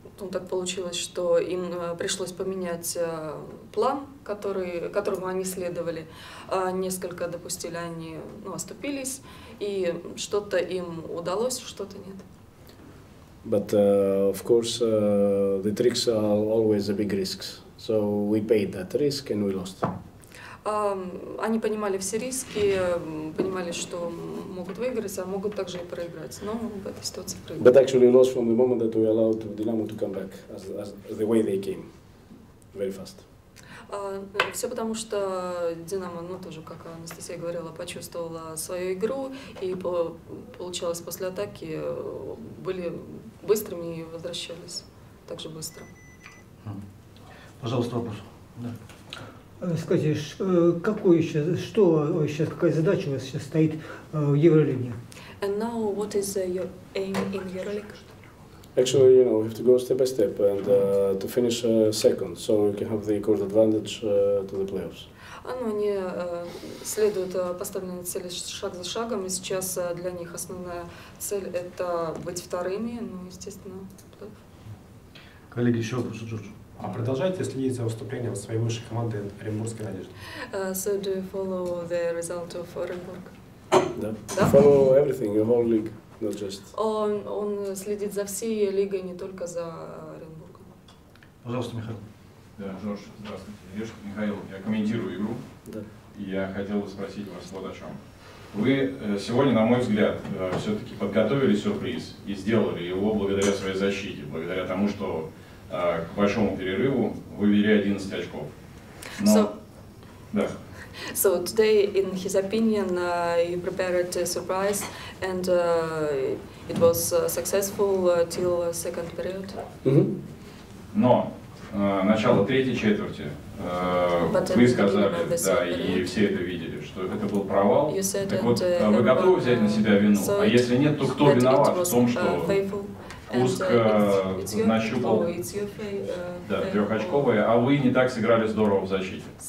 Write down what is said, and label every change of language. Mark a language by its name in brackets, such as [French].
[Russian] Так получилось, что им пришлось поменять план, которому они следовали. Несколько допустили, они оступились, и что-то им удалось, что-то нет. [English] But of course the tricks are always a big risk. So we paid that risk and we lost. [Russian] Они понимали все риски, понимали, что могут выиграть, а могут также и проиграть. Но в этой ситуации проиграли. [English] But actually lost from the moment that we allowed Dynamo to come back as the way they came, very fast. [Russian] Все потому, что Динамо, ну тоже, как Анастасия говорила, почувствовала свою игру и получалось после атаки были быстрыми и возвращались также быстро. Пожалуйста, вопрос. Скажи, какой еще, что сейчас, какая задача у вас сейчас стоит в Евролиге? [English] And now, what is your aim in Euroleague? Actually, you know, we have to go step by step and to finish second, so we can have the court advantage to the playoffs. [Russian] Ну, они следуют поставленной цели шаг за шагом, и сейчас для них основная цель – это быть вторыми, ну, естественно. Коллеги, еще вопрос, Джордж. А продолжаете следить за выступлением своей высшей команды Оренбургской Надежды? [English] So do you follow the result of Оренбург? [Russian] Да. Да? [English] Follow everything, your whole league, not just... [Russian] Он следит за всей лигой, не только за Оренбургом. Пожалуйста, Михаил. Да, Джордж, здравствуйте. Леша, Михаил, я комментирую игру. Да. И я хотел бы спросить вас вот о чем. Вы сегодня, на мой взгляд, все-таки подготовили сюрприз и сделали его благодаря своей защите, благодаря тому, что к большому перерыву вы вели 11 очков. Но... So... Да. [English] So today, in his opinion, you prepared a surprise, and it was successful till second period. Mm-hmm. [Russian] Но начало третьей четверти вы сказали, да, и все это видели, что это был провал. Так вот, вы готовы взять на себя вину? So а если нет, то кто виноват в том, что Курск нащупал да, трехочковые, а вы не так сыграли здорово в защите?